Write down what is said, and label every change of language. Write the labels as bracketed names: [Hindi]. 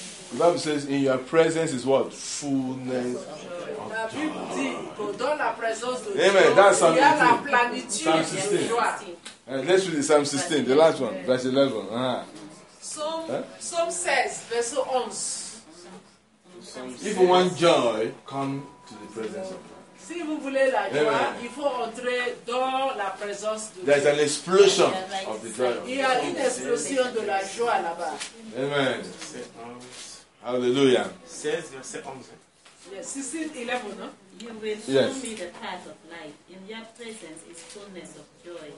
[English] The Bible says, in your presence is what? Fullness of joy. [French] La Bible dit que dans la présence de Dieu, [English] amen. That's [French] il y a la plénitude et la joie. [English] Let's read Psalm 16, the last one, verse 11. Uh-huh. Psalm 16, verse 11. If you want joy, come to the presence of God. [French] Si vous voulez la joie, amen. Il faut entrer dans la présence de Dieu. [English] There's an explosion of the joy. [French] Il y a une explosion de la joie là-bas. [English] Amen. Hallelujah. [French] 16, verset 11. [English] Yes, 16, 11, no? You will show yes. me the path of life. In your presence is fullness of joy.